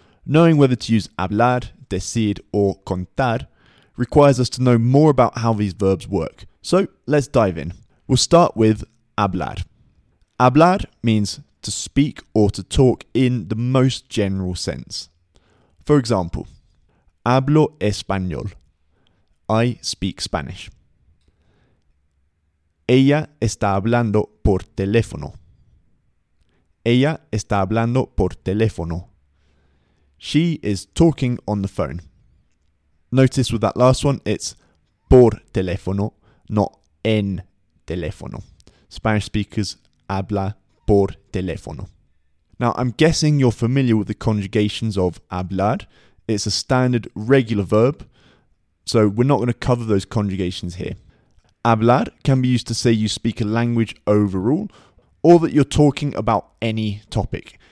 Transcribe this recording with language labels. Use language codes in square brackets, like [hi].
[en] Knowing whether to use hablar, decir, or contar requires us to know more about how these verbs work. So let's dive in. We'll start with hablar. Hablar means to speak or to talk in the most general sense. For example, [es] hablo español. [en] I speak Spanish. [es] Ella está hablando por teléfono. Ella está hablando por teléfono. [en] She is talking on the phone. Notice with that last one, it's [es] por teléfono, [en] not [es] en teléfono. [en] Spanish speakers [es] habla por teléfono. [en] Now, I'm guessing you're familiar with the conjugations of hablar. It's a standard regular verb, so we're not going to cover those conjugations here. Hablar can be used to say you speak a language overall, or that you're talking about any topic.